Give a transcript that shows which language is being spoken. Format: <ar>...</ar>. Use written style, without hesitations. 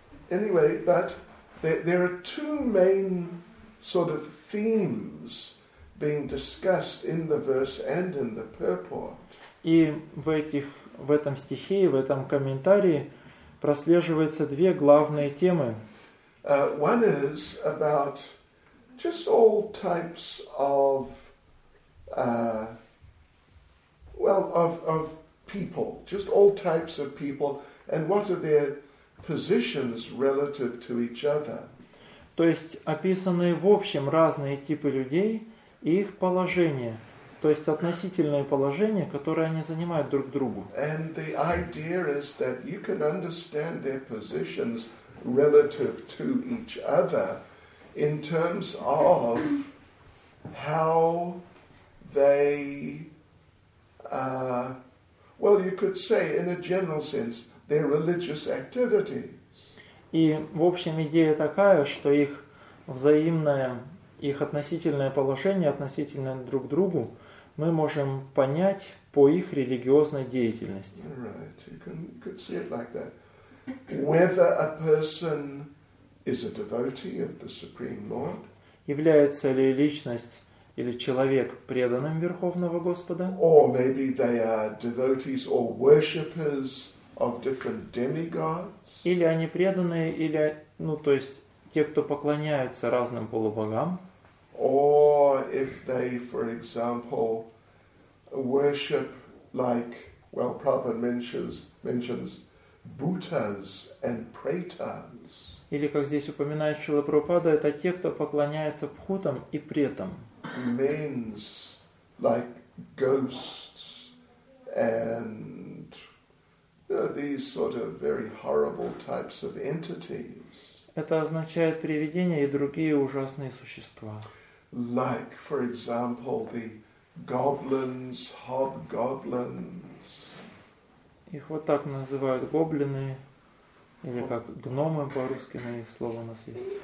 <en>Anyway, but there are two main sort of themes being discussed in the verse and in the purport.</en> <ru>И в этом стихе и в этом комментарии прослеживаются две главные темы.</ru> <en>One is about just all types of of people, just all types of people, and what are their positions relative to each other.</en> <ru>То есть описаны в общем разные типы людей и их положение, то есть относительное положение, которое они занимают друг другу.</ru> <en>And the idea is that you can understand their positions relative to each other in terms of how they you could say in a general sense their religious activities.</en> <ru>И в общем идея такая, что их взаимное их относительное положение относительно друг другу, мы можем понять по их религиозной деятельности.</ru> <en>Right. You could see it like that. Whether a person is a devotee of the Supreme Lord,</en> <ru>является ли личность или человек преданным Верховного Господа,</ru> <en>or maybe they are devotees or worshippers of different demigods,</en> <ru>или они преданные, или, ну, то есть те, кто поклоняются разным полубогам,</ru> <en>or if they, for example, worship like, well, Prabhupada mentions Buddhas and Pretas.</en> <ru>Или, как здесь упоминает Шрила Прабхупада, это те, кто поклоняется Пхутам и Претам.</ru> <en>Means like ghosts and, you know, these sort of very horrible types of entities.</en> <ru>Это означает привидения и другие ужасные существа.</ru> <en>Like, for example, the goblins, hobgoblins.</en> <ru>Их вот так называют гоблины. Или как гномы по-русски, на их слово у нас есть.</ru>